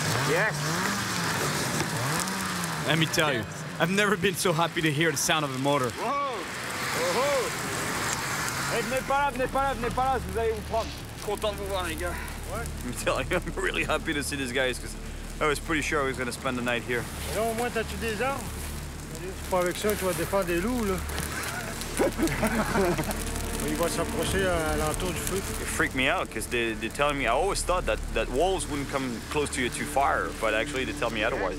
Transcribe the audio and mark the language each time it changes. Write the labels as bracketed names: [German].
[English] Yes. Let me tell you, I've never been so happy to hear the sound of a motor. Whoa! Oh-ho! [French] Hey, venez par là, venez par là, venez par là, vous allez vous prendre. Content de vous voir, les gars. [English] What? I'm telling you, I'm really happy to see these guys, because I was pretty sure I was going to spend the night here. [French] Là, au moins, t'as-tu des armes? Pas avec ça, tu vas défendre des loups, là. Il va s'approcher à l'entour du feu. [English] It freaked me out, because they're telling me, I always thought that wolves wouldn't come close to you too far, but actually, they tell me otherwise.